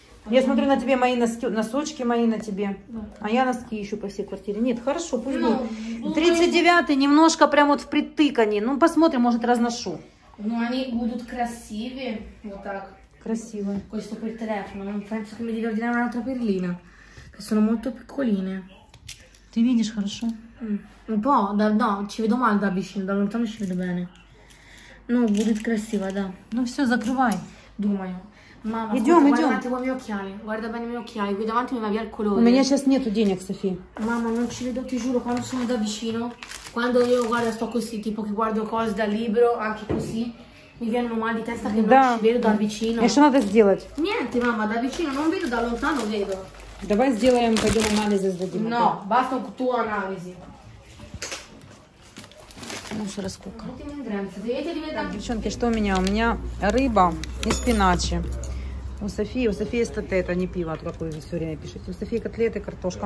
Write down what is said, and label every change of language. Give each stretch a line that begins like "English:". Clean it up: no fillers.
Russian: Я смотрю на тебе мои носки, носочки мои на тебе. А я носки ищу по всей квартире. Нет, хорошо, пусть будет. 39-й немножко прям вот впритык они. Ну, посмотрим, может, разношу. Ну, они будут красивые. Вот так. Красиво.
Italian: Questo per telefono. Non penso che mi devi ordinare un'altra perlina. Che sono molto piccoline. Ti vedi,
Russian: хорошо?
Italian: Un po', no, ci vedo male da vicino, da lontano ci vedo bene.
Russian: Ну, будет красиво, да. Ну все, закрывай. Думаю. Мама, идем,
Italian: guarda,
Russian: идем.
Italian: Guarda mio occhiali. Guarda bene i miei occhiali. Qui davanti mi va via il colore.
Russian: У меня сейчас нету денег, Софи.
Italian: Мама, non ci vedo, ti giuro, quando sono da vicino, quando io guardo sto così, tipo che guardo cose da libro, anche così, mi viene un mal di testa che non ci vedo da vicino.
Russian: E что надо сделать?
Italian: Niente, мама, da vicino non vedo, da lontano vedo.
Russian: Давай сделаем, пойдем анализы сдадим.
Italian: No, basta con tuo analisi.
Russian: Ну, еще раз сколько. Так, девчонки, что у меня? У меня рыба и спиначи. У Софии эстатета, не пиво, от какой вы все время пишете. У Софии котлеты, картошка.